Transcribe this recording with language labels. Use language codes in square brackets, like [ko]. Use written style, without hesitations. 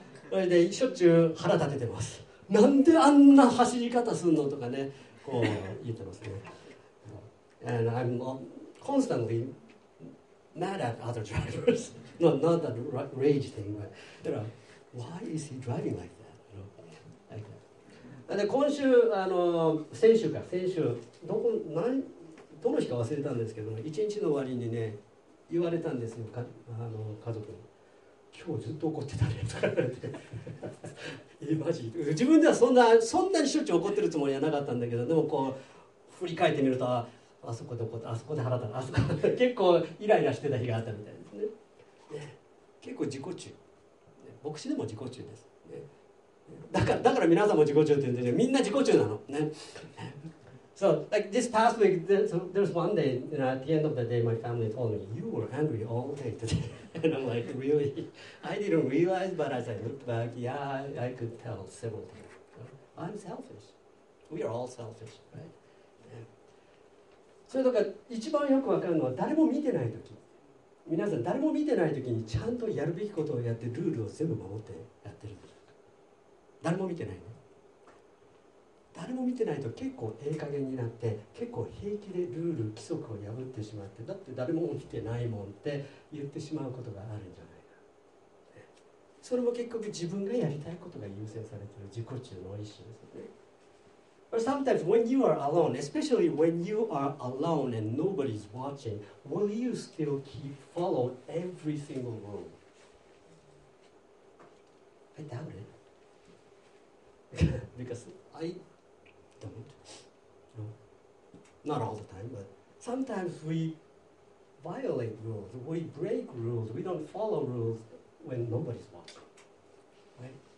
[ja] それでしょっちゅう腹立ててます。なんであんな走り方すんのとかね、こう言ってますね。 [en] And I'm constantly mad at other drivers. Not that rage thing, but why is he driving like that? [ja] で今週先週どの日か忘れたんですけど、一日の終わりにね言われたんですよ、家族に。今日ずっと怒ってたねとか言われて、マジ自分ではそんなにしょっちゅう怒ってるつもりはなかったんだけど、でもこう振り返ってみると、あそこで腹立った、あそこで結構イライラしてた日があったみたいですね。結構自己中、牧師でも自己中です、ね、だから皆さんも自己中って言うんですよ。みんな自己中なのね。 [en] So, like this past week, there's one day, you know, at the end of the day, my family told me, you were angry all day today. And I'm like, really? I didn't realize, but as I looked back, yeah, I could tell several times. I'm selfish. We are all selfish, right? [ja] それとか、一番よくわかるのは、誰も見てないとき。皆さん、誰も見てないときに、ちゃんとやるべきことをやって、ルールを全部守ってやってる。誰も見てないね。誰も見てないと結構ええ加減になって、結構平気でルール規則を破ってしまって、だって誰も起きてないもんって言ってしまうことがあるんじゃないか。それも結局自分がやりたいことが優先されている自己中の一種ですよね。 [en] But sometimes when you are alone, especially when you are alone and nobody's watching, will you still keep follow every single rule? I doubt it. Because I don't, you know, not all the time, but sometimes we violate rules, we break rules, we don't follow rules when nobody's watching, right?